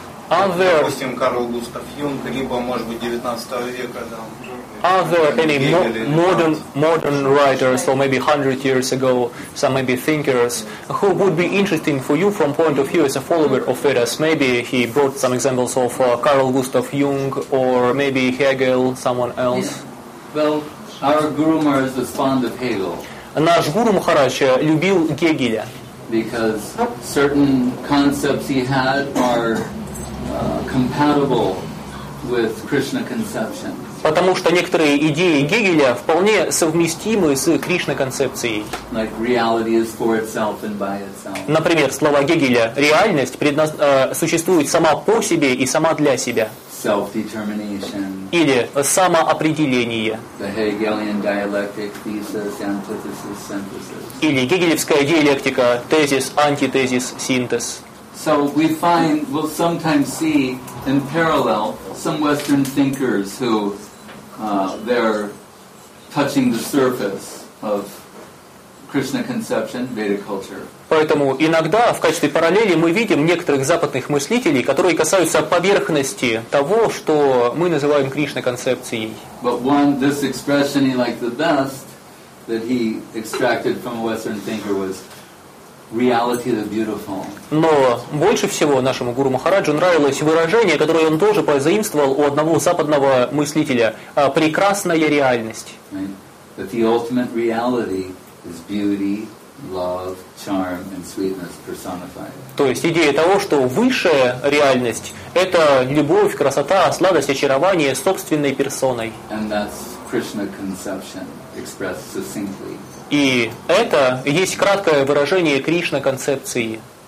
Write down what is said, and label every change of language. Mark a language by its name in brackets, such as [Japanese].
[Russian] Допустим, Карл Густав Юнг, либо, может быть, 19 века, да. [English] Are there any modern writers, or maybe 100 years ago, some maybe thinkers, who would be interesting for you from point of view as a follower of Vedas? Maybe he brought some examples of Carl Gustav Jung, or maybe Hegel, someone else. Yeah. Well, our Guru Maharaj is fond of Hegel. [Russian] Наш Гуру Махарадж любил Гегеля. [English] Because certain concepts he had are compatible with Krishna conception. [Russian] Потому что некоторые идеи Гегеля вполне совместимы с Кришна-концепцией. [English] Like reality is for itself and by itself. [Russian] Например, слова Гегеля «реальность» существует сама по себе и сама для себя. [English] Self-determination. [Russian] Или «самоопределение». [English] The Hegelian dialectic, thesis, antithesis, synthesis. [Russian] Или гегелевская диалектика «тезис, антитезис, синтез». [English] So we find, we'll sometimes see in parallel some Western thinkers who they're touching the surface of Krishna conception, Vedic culture. [Russian] Поэтому иногда в качестве параллели мы видим некоторых западных мыслителей, которые касаются поверхности того, что мы называем Кришна концепцией. [English] But one, this expression he liked the best that he extracted from a Western thinker was reality of the beautiful. [Russian] Но больше всего нашему гуру Махараджу нравилось выражение, которое он тоже позаимствовал у одного западного мыслителя: прекрасная реальность. [English] Right? That the ultimate reality is beauty, love, charm, and sweetness personified. [Russian] То есть идея того, что высшая реальность — это любовь, красота, сладость, очарование собственной персоной. [English] And that's Krishna conception expressed succinctly. [Russian] И это есть краткое выражение Кришна-концепции.